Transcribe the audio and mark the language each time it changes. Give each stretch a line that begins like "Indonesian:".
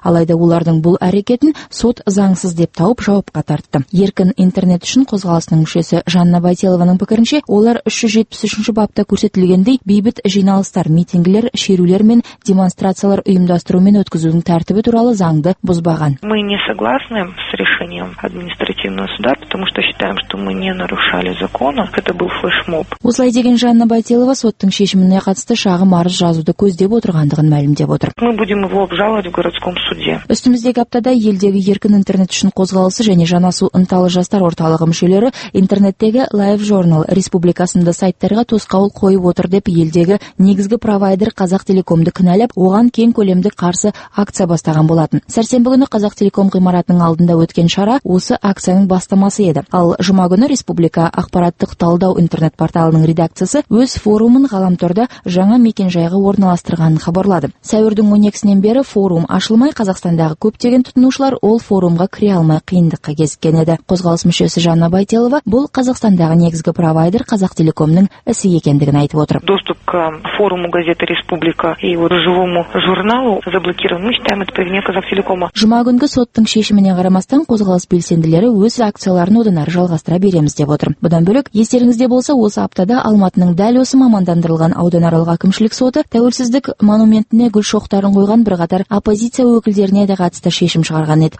Kazakh: Алайда олардың бұл әрекетін сот заңсыз деп тауып жауапқа тартты. Еркін интернет үшін қозғалысының мүшесі Жанна Байтелованың пікірінше, олар 373-ші бапта көрсетілгендей бейбіт жиналыстар, митингілер, шерулер мен демонстрациялар ұйымдастыру мен өткізудің тәртібі туралы заңды бұзбаған.
Russian: Мы не согласны с решением административного суда, потому что считаем, что мы не нарушали закона. Это был флешмоб.
Kazakh: Осылай деген Жанна Байтелова соттың шешіміне қатысты шағым арыз жазуды көздеп отырғандығын мәлімдеп отыр.
Russian: Мы будем его обжаловать в городском суде.
Kazakh: Үстіміздегі аптада елдегі еркін интернет үшін қозғалысы және жанасу ынталы жастар орталығы мүшелері интернеттегі Live Journal республикасында сайттарға тосқауыл қойып отыр деп елдегі негізгі провайдер Қазақ Телекомды кінәлеп, оған кең көлемді қарсы акция бастаған болатын. Сәрсенбі күні Қазақ Телеком ғимаратының алдында өткен шара осы акцияның бастамасы еді. Ал жұма күні Республика ақпараттық талдау интернет порталының редакциясы өз форумын ғаламторда жаңа мекенжайға орналастырғанын хабарлады. Сәуірдің 12-сінен бері форум ашылмай, Қазақстандағы көптеген тұтынушылар ол форумға кіре алмай қиындыққа кезіккен еді. Қозғалыс мүшесі Жанна Байтелова бұл Қазақстандағы негізгі провайдер Қазақтелекомның ісі екендігін айтып отыр.
Russian: Доступ к форуму газеты Республика и вот живому журналу заблокирован. Мы считаем это проявлением Казахтелекома.
Kazakh: Жұма күнгі соттың шешіміне қарамастан қозғалыс белсенділері өз акцияларын одан ары жалғастыра береміз деп отыр. Бұдан бөлек, естеріңізде болса, осы аптада Алматының дәл осы мамандандырылған ауданаралық әкімшілік соты Тәуелсіздік монументіне гүл шоқтарын қойған бірқатар оппозиция өкілдеріне де қатысты шешім шығарған еді.